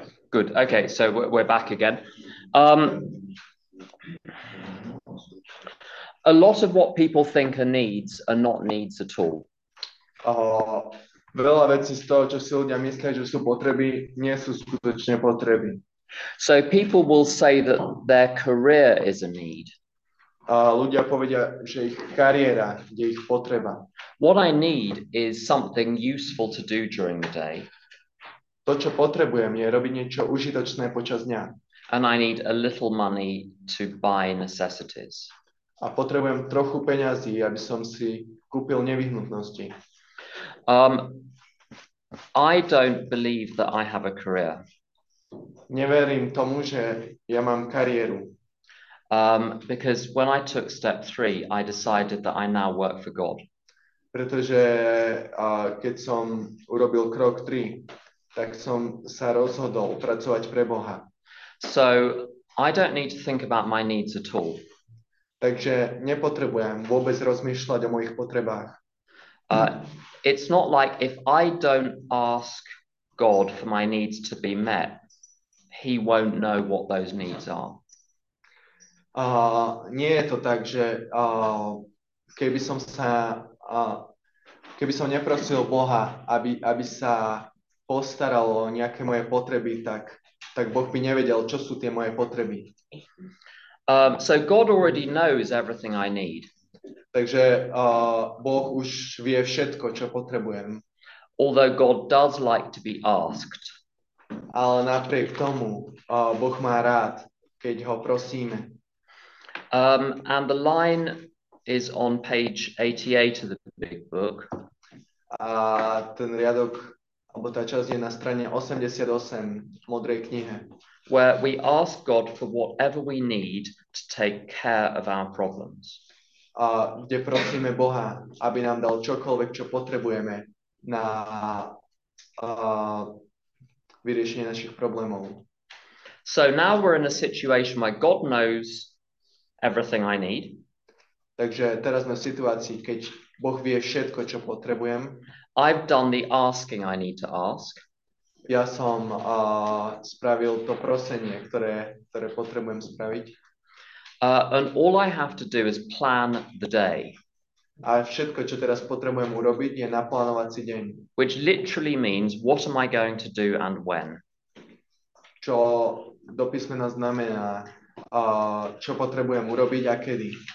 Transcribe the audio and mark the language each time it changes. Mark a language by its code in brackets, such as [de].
[en] Good. Okay, so we're back again. A lot of what people think are needs are not needs at all. [sk] Veľa vecí z toho, čo si ľudia myslia, že sú potreby, nie sú skutočne potreby. [en] So people will say that their career is a need. [sk] Ľudia povedia, že ich kariéra je ich potreba. [en] What I need is something useful to do during the day. [sk] To, čo potrebujem, je robiť niečo užitočné počas dňa. [en] And I need a little money to buy necessities. [sk] A potrebujem trochu peňazí, aby som si kúpil nevyhnutnosti. [en] I don't believe that I have a career. [sk] Neverím tomu, že ja mám kariéru. [en] Because when I took step three, I decided that I now work for God. [sk] Pretože keď som urobil krok 3, tak som sa rozhodol pracovať pre Boha. [en] So I don't need to think about my needs at all. [sk] Takže nepotrebujem vôbec rozmýšľať o mojich potrebách. [en] It's not like if I don't ask God for my needs to be met, he won't know what those needs are. [sk] Nie je to tak, že keby som neprosil Boha, aby sa postaral o nejaké moje potreby, tak Boh by nevedel, čo sú tie moje potreby. [en] So God already knows everything I need. [sk] Takže Boh už vie všetko, čo potrebujem. [en] Although God does like to be asked. [sk] Ale napriek tomu, Boh má rád, keď ho prosíme. [en] And the line is on page 88 of the big book. [sk] A ten riadok, alebo tá časť je na strane 88 modrej knihe. [en] Where we ask God for whatever we need to take care of our problems. [sk] A kde prosíme Boha, aby nám dal čokoľvek, čo potrebujeme na vyriešenie našich problémov. [en] So now we're in a situation where God knows everything I need. [sk] Takže teraz sme v situácii, keď Boh vie všetko, čo potrebujem. [en] I've done the asking I need to ask. [sk] Ja som spravil to prosenie, ktoré potrebujem spraviť. [en] And all I have to do is plan the day. [sk] A všetko, čo teraz potrebujem urobiť, je naplánovať si deň. [en] Which literally means, what am I going to do and when? [sk] Čo do písmena znamená, čo potrebujem urobiť a kedy.